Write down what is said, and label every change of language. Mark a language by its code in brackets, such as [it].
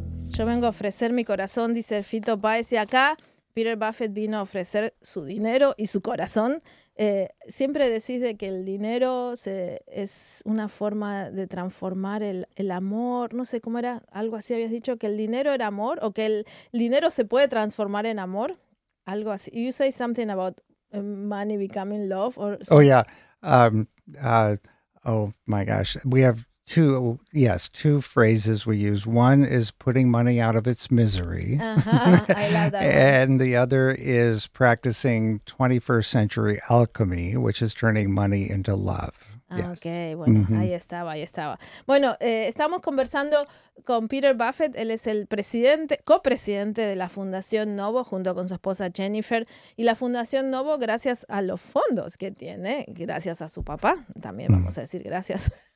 [es] Yo vengo a ofrecer mi corazón, dice Fito Páez, y acá Peter Buffett vino a ofrecer su dinero y su corazón. Siempre decís de que el dinero es una forma de transformar el amor, no sé cómo era, algo así habías dicho, que el dinero era amor o que el dinero se puede transformar en amor, algo así. [en] You say something about money becoming love. Or something. Oh, yeah. Oh, my gosh. We have... Two phrases we use. One is putting money out of its misery. Uh-huh. I love that one. And the other is practicing 21st century alchemy, which is turning money into love. [es] Yes. Ok, bueno, mm-hmm. ahí estaba. Bueno, estamos conversando con Peter Buffett, él es el presidente, copresidente de la Fundación Novo junto con su esposa Jennifer, y la Fundación Novo, gracias a los fondos que tiene, gracias a su papá, también vamos a decir gracias